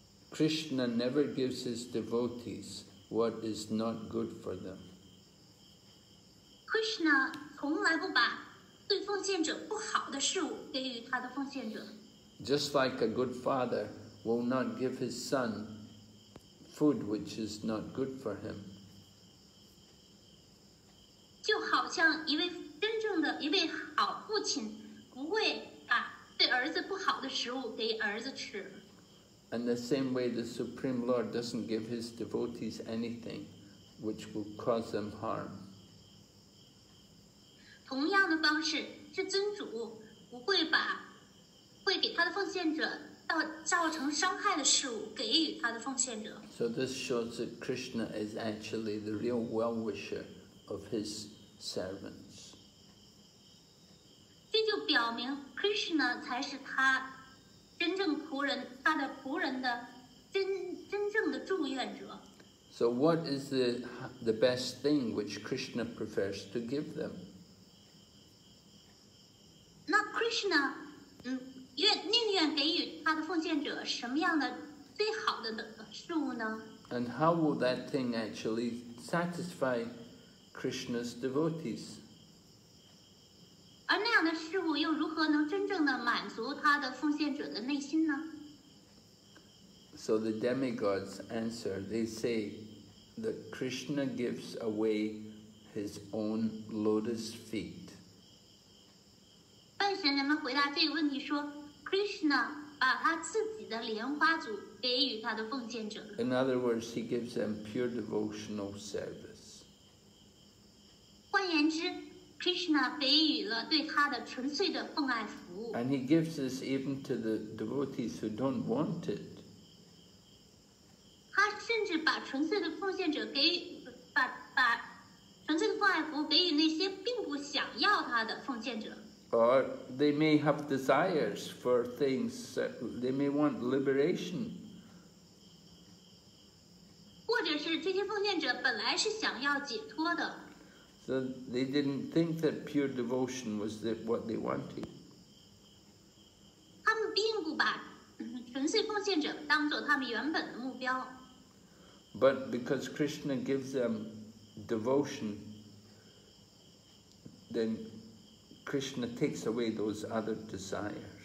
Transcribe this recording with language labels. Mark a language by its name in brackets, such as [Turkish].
[English] Krishna never gives his devotees what is not good for them. [Chinese] Krishna 从来不把对奉献者不好的事物给予他的奉献者。 [English] Just like a good father will not give his son food which is not good for him. [Chinese] 就好像一位真正的一位好父亲不会把对儿子不好的食物给儿子吃。 [English] And the same way the Supreme Lord doesn't give his devotees anything which will cause them harm. [Chinese] 同样的方式，至尊主不会把会给他的奉献者造成伤害的事物给予他的奉献者。 [English] So this shows that Krishna is actually the real well-wisher of his servants. [Chinese] 这就表明 Krishna 才是他真正仆人他的仆人的真正的祝愿者。 [English] So what is the best thing which Krishna prefers to give them? [Chinese] 那 Krishna 宁愿给予他的奉献者什么样的最好的事物呢？ [English] And how will that thing actually satisfy Krishna's devotees? [Chinese] 而那样的事物又如何能真正的满足他的奉献者的内心呢？ [English] So the demigods answer, they say,that Krishna gives away his own lotus feet. [Chinese] 半神人们回答这个问题说 ,Krishna 把他自己的莲花足给予他的奉献者。 [English] In other words, he gives them pure devotional service. [Chinese] 换言之 ,Krishna 给予了对他的纯粹的奉爱服务。 [English] And he gives this even to the devotees who don't want it. [Chinese] 他甚至把纯粹的奉献者给把纯粹的奉爱服给予那些并不想要他的奉献者。 [English] Or they may have desires for things, they may want liberation. [Chinese] 或者是这些奉献者本来是想要解脱的。 [English] So they didn't think that pure devotion was what they wanted. [Chinese] 他们并不把纯粹奉献者当作他们原本的目标。 [English] But because Krishna gives them devotion, then Krishna takes away those other desires.